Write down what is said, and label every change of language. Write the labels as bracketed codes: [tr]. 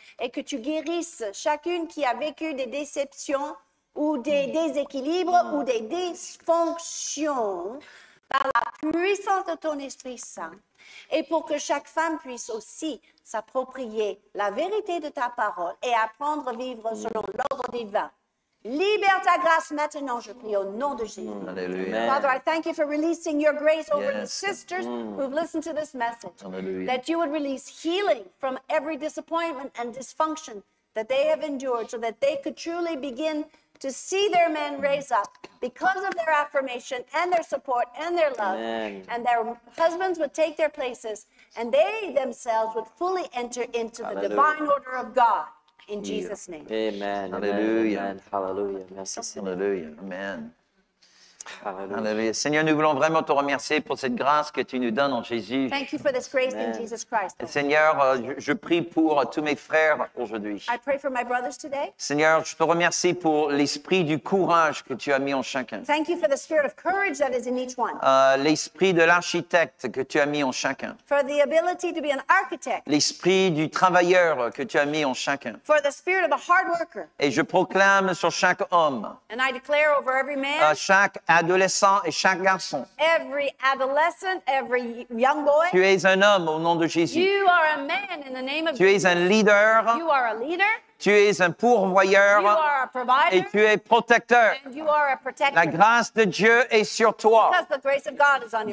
[fr] Et que tu guérisses chacune qui a vécu des déceptions ou des déséquilibres ou des dysfonctions par la puissance de ton Esprit Saint. Et pour que chaque femme puisse aussi s'approprier la vérité de ta parole et apprendre à vivre selon l'ordre divin. Libère ta grâce maintenant, je prie au nom de Jésus. Alléluia. [en] Father, I thank you for releasing your grace over the sisters who've listened to this message. Alléluia. That you would release healing from every disappointment and dysfunction that they have endured so that they could truly begin to see their men raise up because of their affirmation and their support and their love. Amen. And their husbands would take their places and they themselves would fully enter into the divine order of God. In Jesus' name. Amen. Alléluia. [fr] Alléluia. Merci, Seigneur. Alléluia. Amen. Alléluia. Seigneur, nous voulons vraiment te remercier pour cette grâce que tu nous donnes en Jésus. [en] Thank you for this grace in Jesus Christ. [fr] Seigneur, je prie pour tous mes frères aujourd'hui. [en] I pray for my brothers today. [fr] Seigneur, je te remercie pour l'esprit du courage que tu as mis en chacun. [en] Thank you for the spirit of courage that is in each one. [fr] L'esprit de l'architecte que tu as mis en chacun. [en] For the ability to be an architect. [fr] L'esprit du travailleur que tu as mis en chacun. [en] For the spirit of a hard worker. [fr] Et je proclame sur chaque homme. [en] And I declare over every man. [fr] À chaque adolescent et chaque garçon. [en] Every adolescent, every young boy. [fr] Tu es un homme au nom de Jésus. [en] You are a man in the name of [fr] Jesus. Tu es un leader. [en] You are a leader. [fr] Tu es un pourvoyeur. [en] You are a provider. [fr] Et tu es protecteur. [en] And you are a protector. [fr] La grâce de Dieu est sur toi. [en] Because the grace of God is on you.